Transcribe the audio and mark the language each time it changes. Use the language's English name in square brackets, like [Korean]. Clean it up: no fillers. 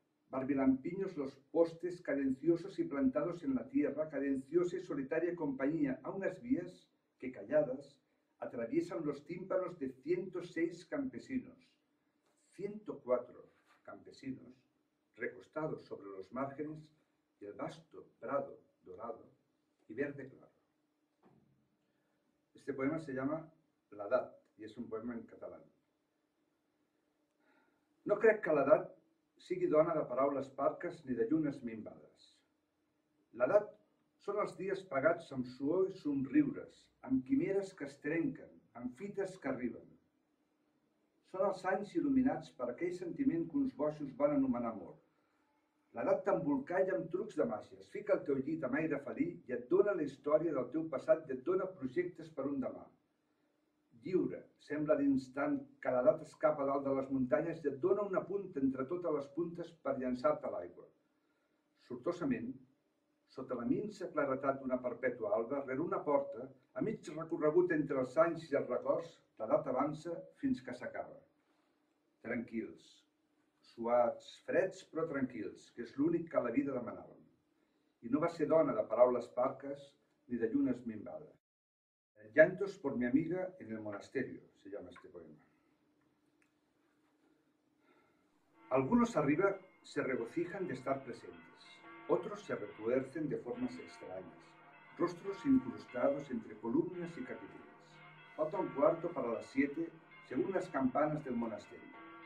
[Spanish] Barbilampiños los postes cadenciosos y plantados en la tierra, cadenciosa y solitaria compañía a unas vías que, calladas, atraviesan los tímpanos de 106 campesinos. 104 campesinos recostados sobre los márgenes del vasto prado dorado y verde claro. Este poema se llama L'edat y es un poema en catalán. [Catalan] No crec que l'edat sigui dona de paraules parques ni de llunes minvades. L'edat són els dies pagats amb suor i somriures, amb quimeres que es trenquen, amb fites que arriben. Són els anys il·luminats per aquell sentiment que uns boixos van anomenar amor. L'edat t'embolcalla amb trucs de màgia, es fica al teu llit amb aire felí i et dona la història del teu passat i et dona projectes per un demà. Lliure, sembla l'instant que l'edat escapa dalt de les muntanyes i et dona una punta entre totes les puntes per llançar-te a l'aigua. Sortosament, sota la minsa claretat d'una perpètua alba, rere una porta, a mig recorregut entre els anys i els records, l'edat avança fins que s'acaba. Tranquils, suats, freds, però tranquils, que és l'únic que la vida demanàvem. I no va ser dona de paraules parques ni de llunes minvades. [Spanish] Llantos por mi amiga en el monasterio, se llama este poema. Algunos arriba se regocijan de estar presentes. Otros se retuercen de formas extrañas. Rostros incrustados entre columnas y capiteles. Falta un cuarto para las 7, según las campanas del monasterio.